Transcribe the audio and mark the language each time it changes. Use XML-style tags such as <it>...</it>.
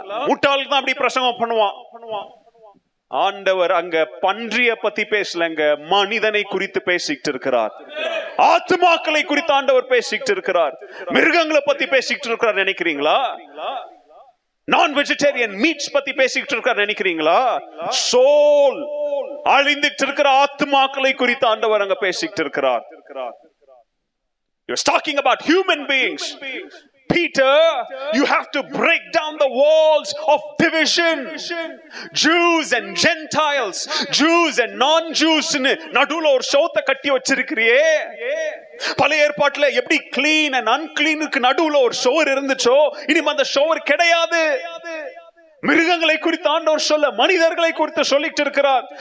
<ta>முட்டாளுக்கு தான் அப்படி பிரசங்கம் பண்ணுவான். ஆண்டவர் அங்க பன்றிய பத்தி பேசலங்க, மனிதனை குறித்து பேசிட்டு இருக்கிறார், ஆத்மாக்களை குறித்து ஆண்டவர் பேசிட்டு இருக்கிறார், மிருகங்களை பத்தி பேசிட்டு இருக்கிறார் நினைக்கிறீங்களா? நான் வெஜிடேரியன் மீட்ஸ் பத்தி பேசிட்டு இருக்கார் நினைக்கிறீங்களா? சோல் அழிந்துட்டு இருக்கிற ஆத்மாக்களை குறித்து ஆண்டவர் அங்க பேசிட்டு இருக்கிறார்.</ta> <en>You're talking about human beings. Peter, you have to break down the walls of division. Jews and Gentiles, Jews and non-Jews,</en> <ta>நடுவுல ஒரு சோத்த கட்டி வச்சிருக்கிறியே. பழைய ஏற்பாட்டுல எப்படி கிளீன் அண்ட் அன்கிளீனுக்கு நடுவுல ஒரு சோர் இருந்துச்சோ, இனிமே அந்த சோர் கிடையாது. மிருகங்களை குறித்து ஆண்டவர் சொல்ல, மனிதர்களை குறித்து சொல்லிட்டு இருக்கிறார்.</ta>